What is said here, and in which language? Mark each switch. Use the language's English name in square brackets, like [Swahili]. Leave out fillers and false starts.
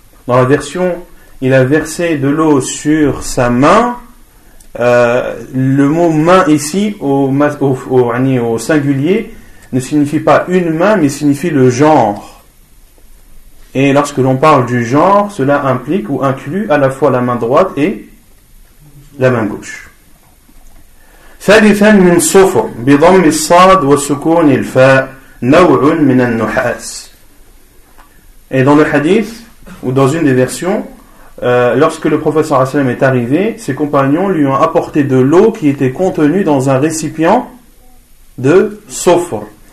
[French] Dans la version, il a versé de l'eau sur sa main, le mot main ici au singulier ne signifie pas une main mais signifie le genre, et lorsque l'on parle du genre, cela implique ou inclut à la fois la main droite et la main gauche. [Arabic] ثالثا من صفر بضم الصاد وسكون الفاء نوع من النحاس. [French] Et dans le hadith ou dans une des versions, lorsque le professeur Hassan est arrivé, ses compagnons lui ont apporté de l'eau qui était contenue dans un récipient de sofr.